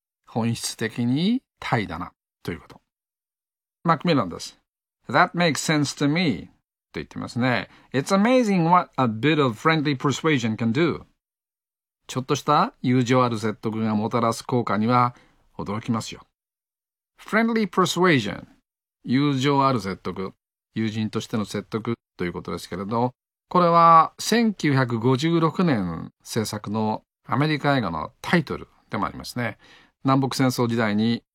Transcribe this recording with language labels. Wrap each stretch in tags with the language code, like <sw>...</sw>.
<ja>本質的に、怠惰なということ。マクミランです。</ja> <en>That makes sense to me.</en> <ja>と言ってますね。</ja> <en>It's amazing what a bit of friendly persuasion can do.</en> <ja>ちょっとした友情ある説得がもたらす効果には驚きますよ。</ja> <en>Friendly persuasion.</en> <ja>友情ある説得。友人としての説得ということですけれど、これは1956年制作のアメリカ映画のタイトルでもありますね。南北戦争時代に</ja>